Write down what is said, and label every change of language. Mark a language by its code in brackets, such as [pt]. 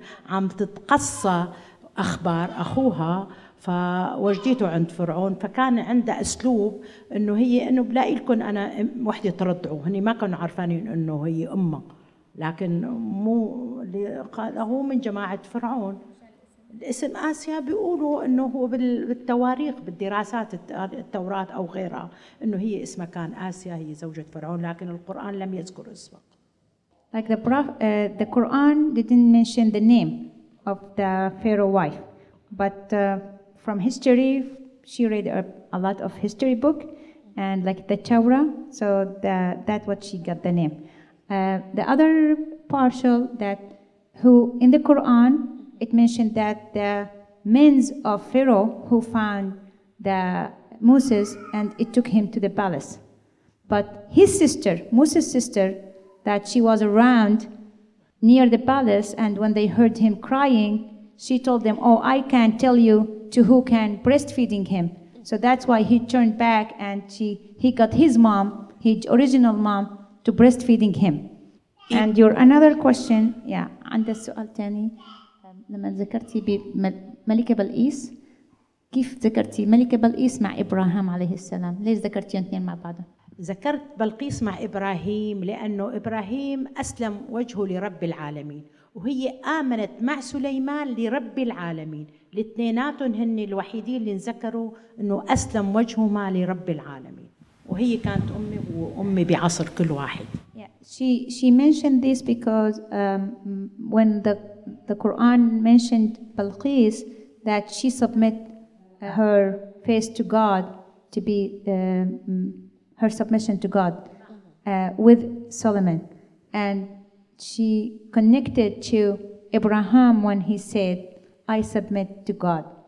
[ar] عم تتقصى أخبار أخوها فوجديته عند فرعون فكان عنده أسلوب إنه هي إنه بلاقي لكم أنا وحدة ترضعوا هني ما كانوا عارفين إنه هي أمه لكن مو اللي قال هو من جماعة فرعون الاسم آسيا بيقولوا إنه هو بالتواريخ بالدراسات التوراة أو غيرها إنه هي اسمها كان آسيا هي زوجة فرعون لكن القرآن لم يذكر اسمها. [en] Like the Quran didn't mention the name of the Pharaoh wife, but from history, she read a lot of history book, and like the Torah, so that what she got the name. The other partial that who in the Quran, it mentioned that the men of Pharaoh who found the Moses and it took him to the palace. But his sister, Moses' sister, that she was around near the palace and when they heard him crying, she told them, oh, I can't tell you to who can breastfeeding him. So that's why he turned back and he got his mom, his original mom, to breastfeeding him. And your another question, yeah, [ar] عند السؤال تاني لما ذكرتي بملكة بلقيس كيف ذكرتي ملكة بلقيس مع إبراهيم عليه السلام ليش ذكرتي اثنين مع بعض؟ ذكرت بلقيس مع إبراهيم لأنه إبراهيم أسلم وجهه لرب العالمين وهي آمنت مع سليمان لرب العالمين الاثنيناتهم هن الوحيدين اللي انذكروا انه اسلم وجههما لرب العالمين وهي كانت امي وامي بعصر كل واحد. [en] Yeah. She mentioned this because when the Quran mentioned Balqis that she submit her face to God to be her submission to God with Solomon and she connected to Abraham when he said I submit to God.